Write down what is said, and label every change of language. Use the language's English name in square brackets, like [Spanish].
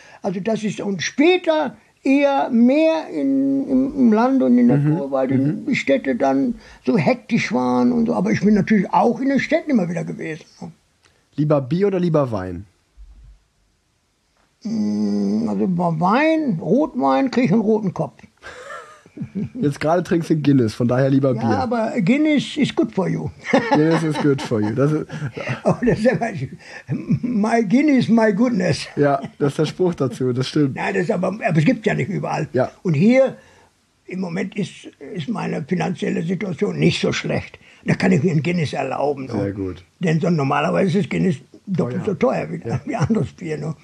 [German] Also das ist, und später eher mehr im Land und in der Natur, weil die Städte dann so hektisch waren und so. Aber ich bin natürlich auch in den Städten immer wieder gewesen. Lieber Bier oder lieber Wein? Also bei Wein, Rotwein, kriege ich einen roten Kopf. Jetzt gerade trinkst du Guinness, von daher lieber Bier. Ja, aber [English] Guinness is good for you. Guinness is good for you. [German] Das ist, oh, das ist immer, [English] my Guinness, my goodness. [German] Ja, das ist der Spruch dazu, das stimmt. Nein, das ist aber es gibt ja nicht überall. Ja. Und hier, im Moment ist meine finanzielle Situation nicht so schlecht. Da kann ich mir ein Guinness erlauben. Sehr gut. Denn so normalerweise ist Guinness doppelt so teuer wie anderes Bier. Ne?